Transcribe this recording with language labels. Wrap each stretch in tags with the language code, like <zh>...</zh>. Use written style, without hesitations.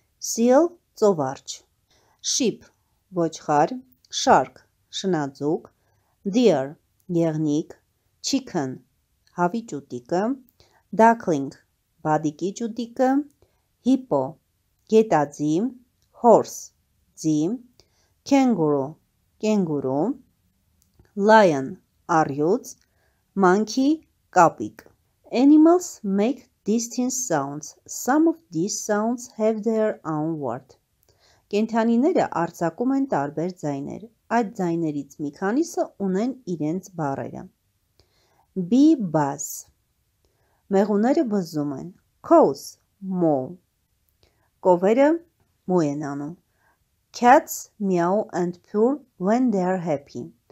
<hy>Seal ծովարջ Sheep Ոչխար, shark, շնաձուկ, deer, եղնիկ, chicken, հավի ճուտիկը, duckling, բադիկի ճուտիկը, hippo, գետաձի, horse, ձի, kangaroo, կենգուրու, lion, առյուծ, monkey, կապիկ.</hy> <en>Animals make distinct sounds. Some of these sounds have their own word.</en> <hy>Կենդանիները արձակում են տարբեր ձայներ։ Այդ ձայներից մի քանիսը ունեն իրենց բառերը։</hy> <en>Bee buzz.</en> <hy>Մեղուները բզում են։</hy> <en>Cows moo.</en> <hy>Կովերը մու են անում։</hy> <en>Cats meow and purr when they are happy.</en>